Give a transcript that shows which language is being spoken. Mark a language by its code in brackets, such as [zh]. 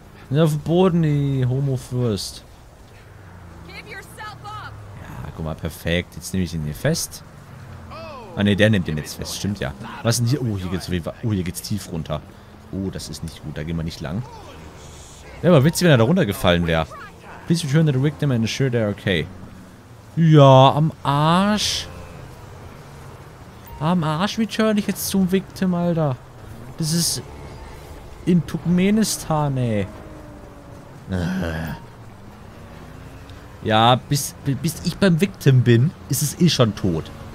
[de] Auf dem Boden, die Homo-Fürst. Ja, guck mal, perfekt. Jetzt nehme ich ihn hier fest. Ah, ne, der nimmt den jetzt fest. Stimmt ja. Was denn hier? Oh, hier geht's, tief runter. Oh, das ist nicht gut. Da gehen wir nicht lang. Wäre aber witzig, wenn er da runtergefallen wäre. [en] Please return to the victim and ensure they're okay. [de] Ja, am Arsch. Am Arsch return ich jetzt zum Victim, Alter. Das ist in Turkmenistan, ey. Ja, bis ich beim Victim bin, ist es eh schon tot.